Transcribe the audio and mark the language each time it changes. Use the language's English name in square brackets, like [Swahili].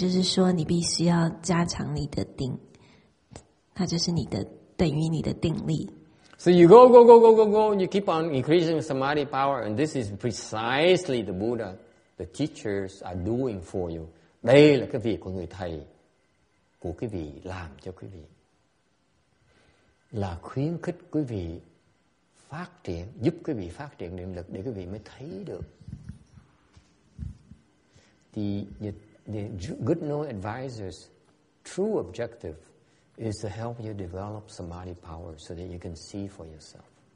[Chinese] 所以法师说那个观呢，意思就是说你必须要加强你的定。它就是你的，等于你的定力。 [English] So you go, you keep on increasing samadhi power, and this is precisely the Buddha, the teachers are doing for you. [Vietnamese] Đây là cái việc của người thầy, của quý vị làm cho quý vị. Là khuyến khích quý vị phát triển, giúp quý vị phát triển niệm lực để quý vị mới thấy được. [English] The good known advisors, true objective, is to help you develop samadhi power so that you can see for yourself.